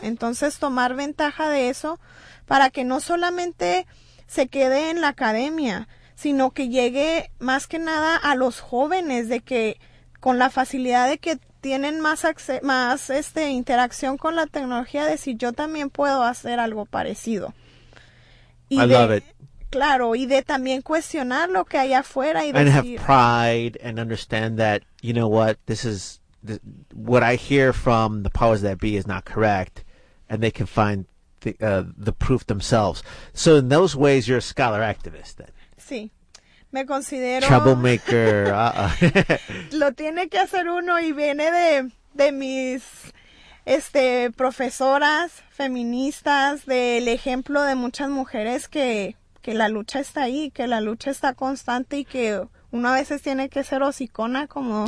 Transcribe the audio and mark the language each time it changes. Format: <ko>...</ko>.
<es>Entonces, tomar ventaja de eso para que no solamente se quede en la academia, sino que llegue más que nada a los jóvenes, de que con la facilidad de que tienen más interacción con la tecnología, de si yo también puedo hacer algo parecido.</es> <en>Y I love it.</en> <es>Claro, y de también cuestionar lo que hay afuera y</es> <en>and</en> <es>decir.</es> <en>And have pride and understand that, you know what, this is what I hear from the powers that be is not correct, and they can find the proof themselves. So in those ways, you're a scholar activist then.</en> <es>Sí. Me considero</es> <en>troublemaker.</en> <es>Lo tiene que hacer uno y viene de mis profesoras feministas, del ejemplo de muchas mujeres que la lucha está ahí, que la lucha está constante y que uno a veces tiene que ser hocicona, como</es>